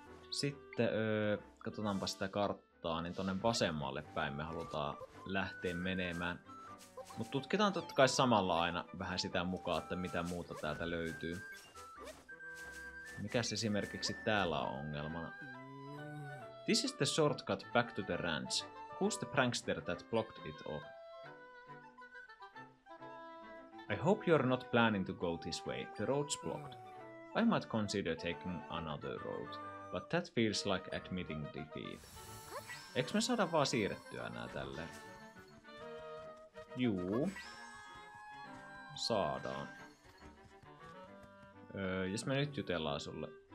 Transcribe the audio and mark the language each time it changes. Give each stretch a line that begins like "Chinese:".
Finnish: Sitten katsotaanpa sitä karttaa, niin tuonne vasemmalle päin me halutaan lähteä menemään. Mutta tutkitaan totta kai samalla aina vähän sitä mukaan, että mitä muuta täältä löytyy. Mikäs esimerkiksi täällä on ongelmana?
English: This is the shortcut back to the ranch. Who's the prankster that blocked it off? I hope you're not planning to go this way. The road's blocked. I might consider taking another road, but that feels like admitting defeat.
Finnish: Eiks me saada vaan siirrettyä nää tälle? Juu. Saadaan. Jos me nyt jutellaan sulle.